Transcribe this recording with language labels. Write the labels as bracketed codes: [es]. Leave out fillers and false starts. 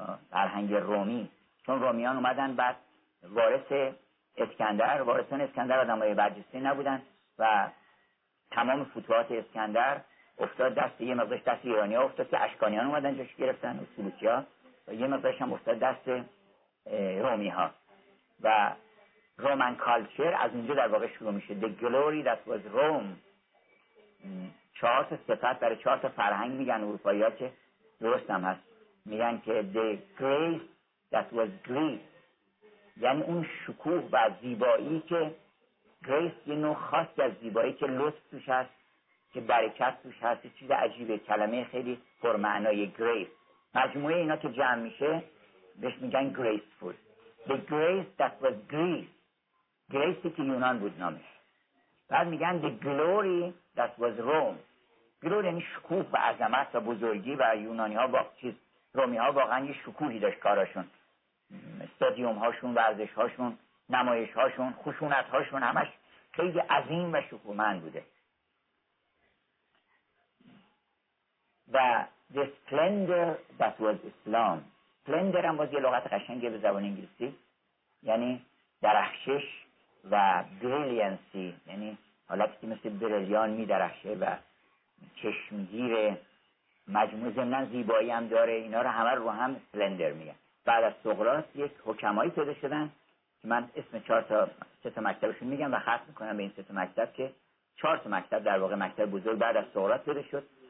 [fa] فرهنگ رومی، چون رومیان اومدن بعد وارث اسکندر، وارثان اسکندر آدمای برجسته نبودن و تمام فتوحات اسکندر افتاد دست یه مقدارش دست ایرانی‌ها افتاد که اشکانیان اومدن جاش گرفتن و سلوکی‌ها، و یه مقدارش هم افتاد دست رومی‌ها و رومن کالچر از اونجا در واقع شروع میشه. [en] The glory that was Rome. [fa] چهار تا صفت برای چهار تا فرهنگ میگن اروپایی‌ها که درست هم هست. میگن که [en] The grace that was Greece. [fa] یعنی اون شکوه و زیبایی که Grace یه نوع خاصی از زیبایی که لطف توش هست، که برکت توش هست، چیز عجیبه، کلمه خیلی پرمعنای Grace. مجموعه اینا که جمع میشه بهش میگن Graceful. [en] The grace that was Greece. [fa] گریسی که یونان بود نامش. بعد میگن [en] The glory that was Rome. [fa] گلور یعنی شکوه و عظمت و بزرگی، و یونانی ها رومی ها واقعا یه شکوهی داشت کاراشون، استادیوم هاشون، ورزش هاشون، نمایش هاشون، خشونت هاشون، همش خیلی عظیم و شکوهمند بوده. [en] و The splendor that was Islam. [fa] splendor هم باز یه لغت قشنگه به زبان انگلیسی، یعنی درخشش و بریلیانسی، یعنی حالتی که مثل بریلیان میدرخشه و چشمگیر، مجموع زمنان زیبایی هم داره. اینا رو همه رو هم سلندر میگن. بعد از سقراط یک حکمایی پیدا شدن که من اسم چهار تا سه تا مکتبشون میگم و خط میکنم به این سه تا مکتب، که چهار تا مکتب در واقع مکتب بزرگ بعد از سقراط پیدا شد.